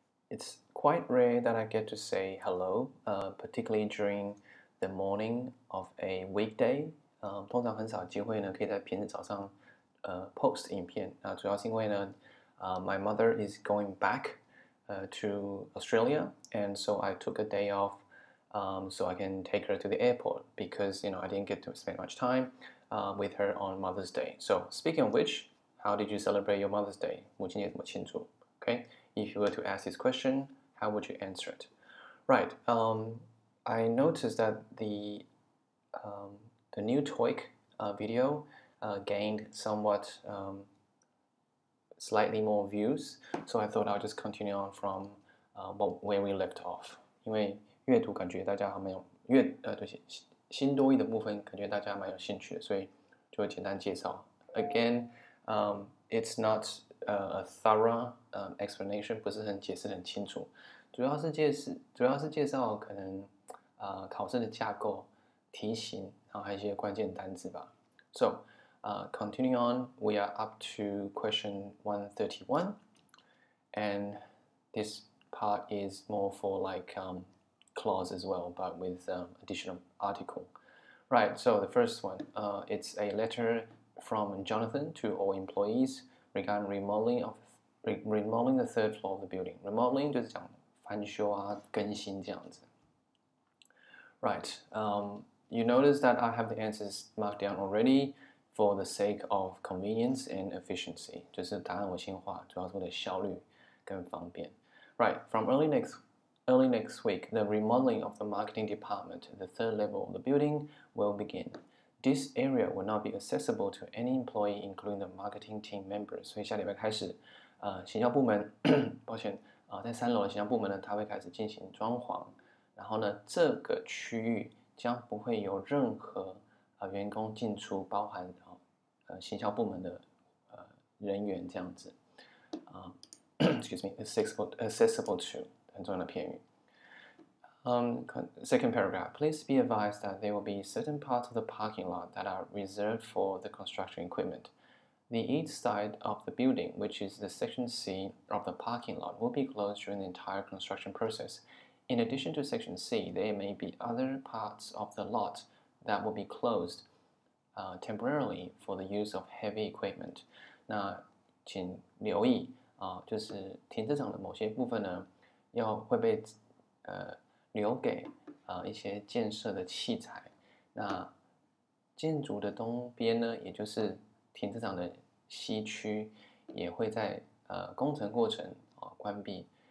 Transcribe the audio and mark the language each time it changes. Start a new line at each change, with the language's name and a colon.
English: It's quite rare that I get to say hello, particularly during the morning of a weekday.
Chinese: 通常很少机会呢，可以在平日早上，post 影片。那主要是因为呢，
English: my mother is going back, to Australia, and so I took a day off, so I can take her to the airport because you know I didn't get to spend much time, with her on Mother's Day. So speaking of which, how did you celebrate your Mother's Day?
Chinese: 母亲节怎么庆祝？
English: Okay, if you were to ask this question, how would you answer it? Right, I noticed that the new TOEIC video gained somewhat slightly more views, so I thought I'll just continue on from where we left off.
Chinese: 因为阅读感觉大家还蛮有阅对新多益的部分感觉大家蛮有兴趣的，所以就简单介绍。
English: Again, it's not a thorough explanation,
Chinese: 不是很解释很清楚，主要是介绍可能考试的架构题型，然后还有一些关键单字吧。
English: So, continuing on, we are up to question 131, and this part is more for like clause as well, but with additional article. Right, so the first one, it's a letter from Jonathan to all employees. Regarding remodeling the third floor of the building.
Chinese: Remodeling 就是讲翻修啊，更新这样子。
English: Right, you notice that I have the answers marked down already for the sake of convenience and efficiency.
Chinese: 就是答案我先画，主要是为了效率跟方便。
English: Right, from early next week, the remodeling of the marketing department, the third level of the building, will begin. This area will not be accessible to any employee, including the marketing team members.
Chinese: 所以下礼拜开始，行销部门，抱歉，在三楼的行销部门呢，它会开始进行装潢。然后呢，这个区域将不会有任何员工进出，包含行销部门的人员这样子。
English: excuse me,
Chinese: accessible to 很重要的片语。
English: Second paragraph, please be advised that there will be certain parts of the parking lot that are reserved for the construction equipment. The east side of the building, which is the section C of the parking lot, will be closed during the entire construction process. In addition to section C, there may be other parts of the lot that will be closed temporarily for the use of heavy equipment.
Chinese: 那请留意就是停车场的某些部分呢，要会被留给一些建设的器材，那建筑的东边呢，也就是停车场的西区，也会在工程过程关闭。